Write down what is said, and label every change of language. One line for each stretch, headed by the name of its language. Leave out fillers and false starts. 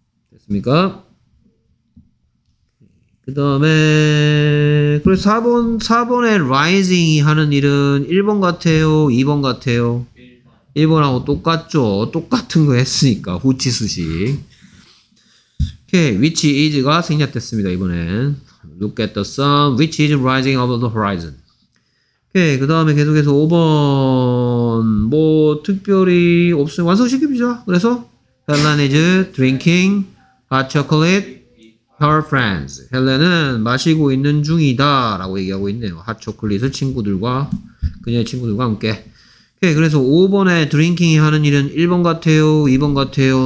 Korean: 됐습니까? 그 다음에 그리고 4번에 rising 하는 일은 1번 같아요? 2번 같아요? 1번하고 똑같죠. 똑같은 거 했으니까 후치 수식. 오케이,
English: which is
Korean: 가 생략됐습니다. 이번엔
English: look at the sun which is rising above the horizon.
Korean: 오케이, 그 다음에 계속해서 5번 뭐 특별히 없으면 완성시킵니다. 그래서
English: Helen is drinking hot chocolate her friends.
Korean: Helen은 마시고 있는 중이다 라고 얘기하고 있네요. hot chocolate을 친구들과 그녀의 친구들과 함께. 오케이, 그래서 5번에 drinking이 하는 일은 1번 같아요? 2번 같아요?